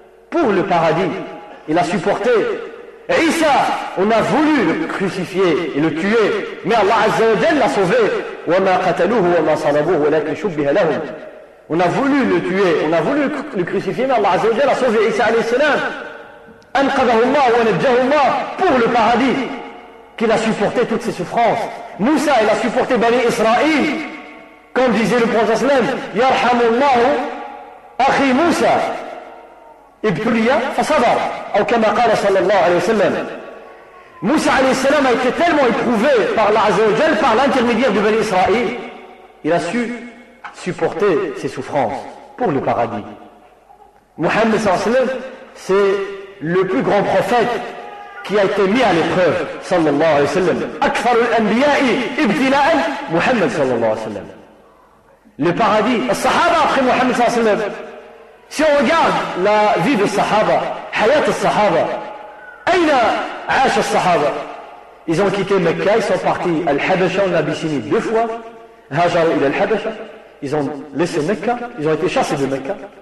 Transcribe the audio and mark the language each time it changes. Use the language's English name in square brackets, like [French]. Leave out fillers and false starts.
[French] Pour le paradis, il a supporté. Isa, on a voulu le crucifier et le tuer, mais Allah Azza wa Jalla l'a sauvé. [Arabic] وَمَا قَتَلُوهُ وَمَا صَلَبُوهُ وَلَكِنْ شُبِّهَ لَهُمْ. [French] On a voulu le tuer, on a voulu le crucifier, mais Allah Azza wa Jalla l'a sauvé Isa alayhi salam. [Arabic] أَنْقَذَهُ اللَّهُ وَنَجَّهُ اللَّهُ. [French] Pour le paradis, qu'il a supporté toutes ses souffrances. Moussa, il a supporté Bani Israël. Comme disait le prophète sallam, [Arabic] يَرْحَمُ اللَّهُ أَخِي مُوسَى ابتلي فصبر او كما قال صلى الله عليه وسلم. [French] موسى عليه السلام a été tellement éprouvé par Allah Azza wa Jal par l'intermédiaire de Bani Israël, il a su supporter ses souffrances pour le paradis. Mohammed صلى الله عليه وسلم, c'est le plus grand prophète qui a été mis à l'épreuve صلى الله عليه وسلم. [Arabic] اكثر الانبياء ابتلاء محمد صلى الله عليه وسلم. [French] Le paradis, الصحابه après Mohammed صلى الله عليه وسلم. Si on regarde la vie des Sahaba, [Arabic] Hayat al-Sahaba, Aïna Aash al-Sahaba, [French] ils ont quitté Mecca, ils sont partis à Al-Habasha en Abyssinie deux fois, [Arabic] Hajar ila Al-Habasha, [French] ils ont laissé Mecca, ils ont été chassés de Mecca.